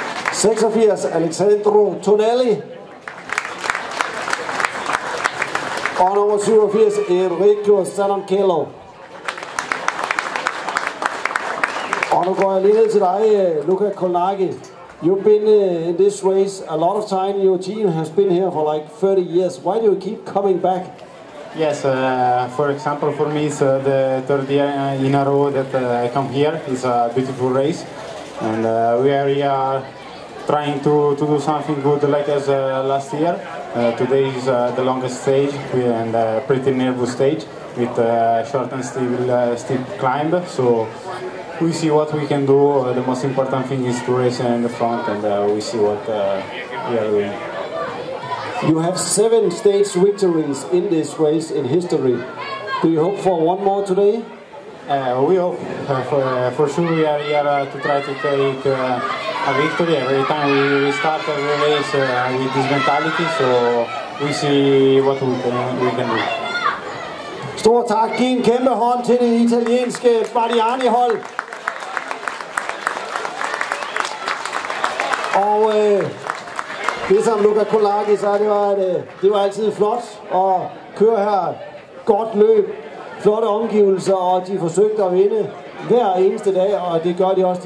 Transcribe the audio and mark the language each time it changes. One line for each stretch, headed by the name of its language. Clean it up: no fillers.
Danish: 86, Alessandro Tonelli. Og nummer 87, Enrico Salamkello. nu går jeg lige ned til dig, Luca Colnaghi.
English: You've been in this race a lot of time. Your team has been here for like 30 years. Why do you keep coming back? Yes, for example, for me, it's the third year in a row that I come here. It's a beautiful race. And we are trying to do something good like as last year. Today is the longest stage and pretty nervous stage with a short and steep climb. So we see what we can do. The most important thing is to race in the front, and we see what we are doing. You have 7 stage victories in this race in history. Do you hope for one more today? We hope. For sure we are here to try to take a victory. Every time we restart the race with this mentality, so we see what we can do.
Danish: Stor tak. Giv en kæmpe hånd til det italienske Bardiani-hold. Og det som Luca Colnaghi sagde, det var altid flot at køre her. Godt løb, flotte omgivelser, og de forsøgte at vinde hver eneste dag, og det gør de også.